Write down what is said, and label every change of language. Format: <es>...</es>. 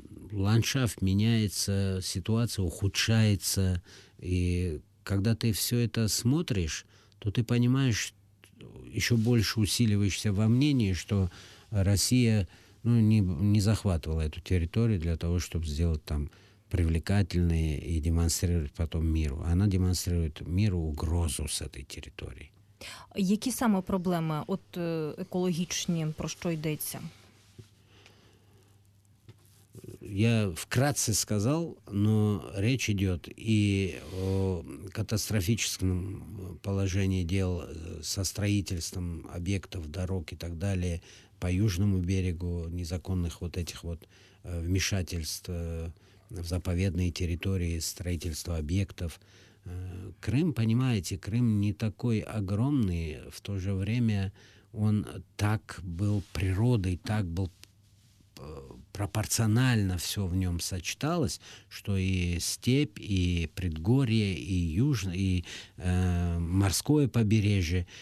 <ru>Ландшафт меняется, ситуация ухудшается, и когда ты все это смотришь, то ты понимаешь, еще больше усиливаешься во мнении, что Россия, ну, не захватывала эту территорию для того, чтобы сделать там привлекательные и демонстрировать потом миру. Она демонстрирует миру угрозу с этой территории.</ru> <uk>Які саме проблеми, от екологічні, про що йдеться? Я вкратце сказав, но речь йде і о катастрофічному положенні діл со строительством об'єктів, дорог і так далі по южному берегу, незаконних</uk> <ru>вот этих вот вмешательств</ru> <uk>в заповідні території, строительство об'єктів.</uk> <ru>Крым, понимаете, Крым не такой огромный, в то же время он так был природой, так был пропорционально все в нем сочеталось, что и степь, и предгорье, и южное, и морское побережье.</ru>